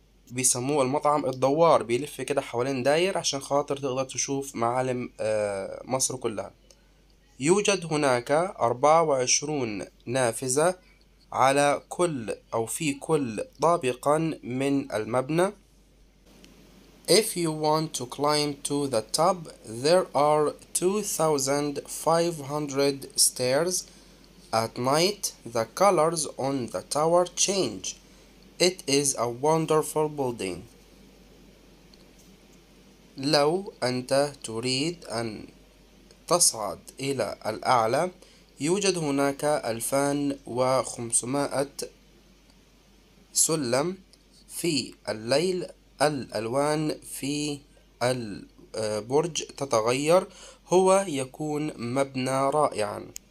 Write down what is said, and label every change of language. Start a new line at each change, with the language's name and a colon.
Arabic: بيسموه المطعم الدوار، بيلف كده حوالين داير عشان خاطر تقدر تشوف معالم مصر كلها. يوجد هناك 24 نافذة على كل أو في كل طابق من المبنى.
English: If you want to climb to the top, there are 2,500 stairs. At night, the colors on the tower change. It is a wonderful building.
Arabic: لو أنت تريد أن تصعد إلى الأعلى، يوجد هناك 2,500 سلم في الليل. الألوان في البرج تتغير. هو يكون مبنى رائعاً.